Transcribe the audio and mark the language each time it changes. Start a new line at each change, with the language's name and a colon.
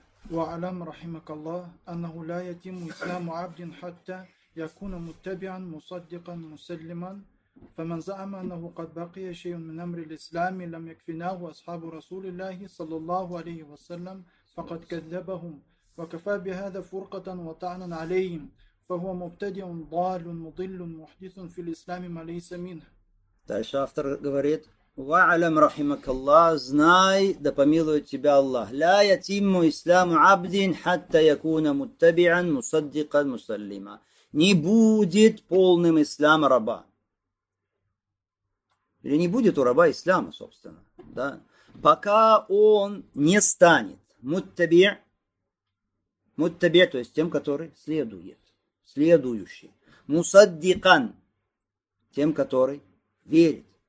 Arabic: وَعَلَمْ رَحِمَكَ اللَّهُ أَنَّهُ لَا يَتِمُ إِسْلَامُ عَبْدٍ حَتَّى يَكُونَ مُتَّبِعًا مُصَدِّقًا مُسَلِّمًا فَمَنْ زَعَمَ أَنَّهُ قَدْ بَقِيَ شَيْءٌ مِنْ أَمْرِ الْإِسْلَامِ لَمْ يَكْفِنَاهُ أَصْحَابُ رَسُولِ اللَّهِ صَلَّى اللَّهُ عَلَيْهِ وَسَلَّمَ فَقَدْ كَذَّبَهُمْ وَكَفَى بِهَذَا فُرْقَةً وَطَعْنًا عَلَيْهِمْ فَهُوَ مُبْتَدِعٌ ضَالٌّ مُضِلٌّ مُحْدِثٌ فِي الْإِسْلَامِ مَا لَيْسَ مِنْهُ
Russian: تعالى شافتر говорит
Arabic: وَعَلَمْ رَحِمَكَ اللَّهُ
Russian: Знай, да помилует тебя Аллах.
Arabic: لَا يَتِمُّ إِسْلَامُ عَبْدٍ حَتَّى يَكُونَ مُتَّبِعًا مُصَدِّقًا مُسَلِّمًا
Russian: Не будет полным ислам раба. Или не будет у раба ислама, собственно. Да? Пока он не станет муттаби', муттаби', то есть тем, который следует, следующий. Мусаддикан, тем, который верит.